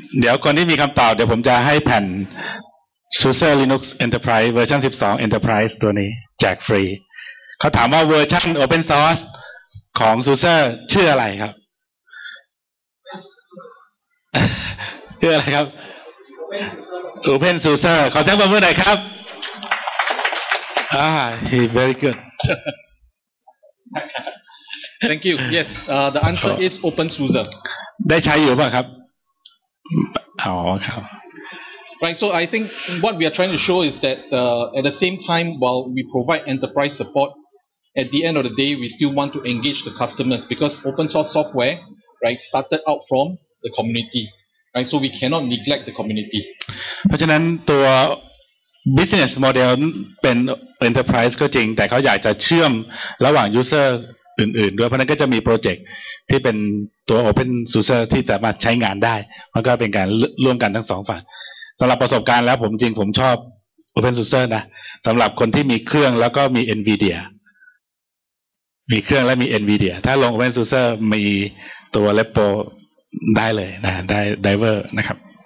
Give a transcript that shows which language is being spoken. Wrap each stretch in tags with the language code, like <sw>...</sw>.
<th>เดี๋ยวคนที่มีคำตอบเดี๋ยวผมจะให้แผ่น SUSE Linux Enterprise เวอร์ชัน12 Enterprise ตัวนี้แจกฟรีเขาถามว่าเวอร์ชัน Open Sourceของซูเซอร์ชื่ออะไรครับชื่ออะไรครับซูเปอร์ซูเซอร์ขอเสียงปรบมือหน่อยครับ</th> <en>he very good thank you yes the answer is open suse</en> <th>ได้ใช้อยู่ป่ะครับอ๋อครับ</th> <en>right so I think what we are trying to show is that at the same time while we provide enterprise supportAt the end of the day, we still want to engage the customers because open source software, right, started out from the community, right? So we cannot neglect the community.</en> <th>เพราะฉะนั้นตัว business model เป็น enterprise ก็จริงแต่เขาอยากจะเชื่อมระหว่าง user อื่นๆด้วยเพราะนั้นก็จะมี project ที่เป็นตัว open source ที่สามารถใช้งานได้มันก็เป็นการร่วมกันทั้งสองฝั่งสำหรับประสบการณ์แล้วผมจริงผมชอบ open source นะสำหรับคนที่มีเครื่องแล้วก็มี Nvidiaมีเครื่องและมี Nvidia ถ้าลง Open Source มีตัว Repo ได้เลยนะได้ไดรเวอร์นะครับ</th>